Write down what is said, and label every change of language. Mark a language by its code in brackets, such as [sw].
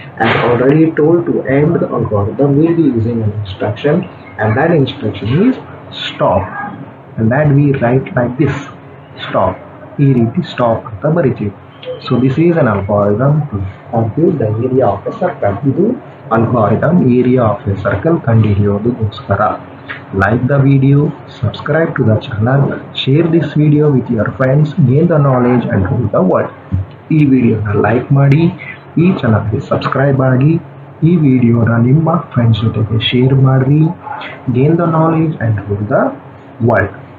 [en] And already told to end the algorithm we be using an instruction, and that instruction is stop. And that we write like this stop, [kn] ಈ ರೀತಿ stop ಅಂತ ಬರಿತೀವಿ. [en] So this is an algorithm to compute the area of a circle. [kn] ಇದು algorithm area of A circle ಕಂಡುಹಿಡಿಯೋದಕ್ಕೋಸ್ಕರ. [en] Like the video, subscribe to the channel, share this video with your friends, gain the knowledge and do the world. [kn] ಈ ವಿಡಿಯೋನ like ಮಾಡಿ, ಈ ಚಾನಲ್ಗೆ subscribe ಆಗಿ, ಈ ವಿಡಿಯೋನ ನಿಮ್ಮ ಫ್ರೆಂಡ್ಸ್ ಜೊತೆಗೆ ಶೇರ್ ಮಾಡಿರಿ. [en] Gain the knowledge and do the world.